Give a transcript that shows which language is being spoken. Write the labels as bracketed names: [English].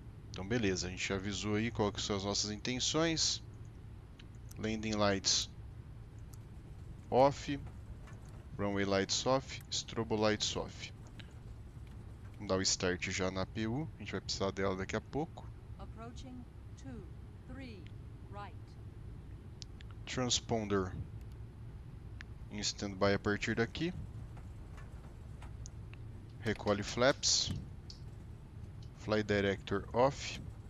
[Portuguese] Então beleza, a gente avisou aí qual que são as nossas intenções. [English] Landing lights off, runway lights off, strobo lights off. [Portuguese] Vamos dar o start já na PU, a gente vai precisar dela daqui a pouco. [English] Approaching 2, 3, right. [Portuguese] Transponder em standby a partir daqui. [English] Recolhe flaps. Fly director off.